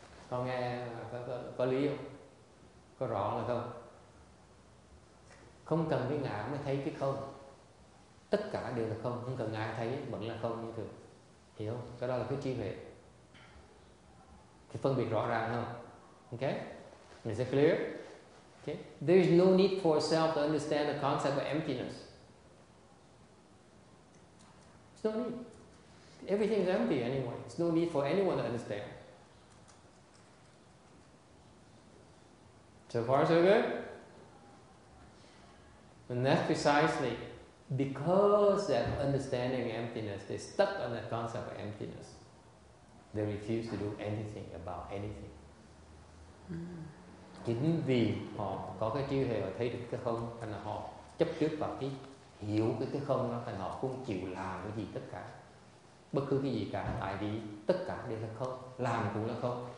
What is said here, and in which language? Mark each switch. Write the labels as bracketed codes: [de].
[vi] Con nghe có lý không? Có rõ là không? Không cần cái ngã mới thấy cái không. Tất cả đều là không, không cần ngã thấy vẫn là không như thường. Hiểu không? Cái đó là cái trí huệ. Thì phân biệt rõ ràng không? [en] Ok? Is it clear? Okay. There is no need for self to understand the concept of emptiness. There's no need. Everything is empty anyway. There's no need for anyone to understand. So far, so good? And that's precisely because of understanding emptiness, they're stuck on that concept of emptiness. They refuse to do anything about anything. [vi] Chính vì họ có cái trí huệ và thấy được cái không, thành là họ chấp trước vào cái hiểu cái không đó, thành họ không chịu làm cái gì tất cả, bất cứ cái gì cả, tại vì tất cả đều là không, làm cũng là không.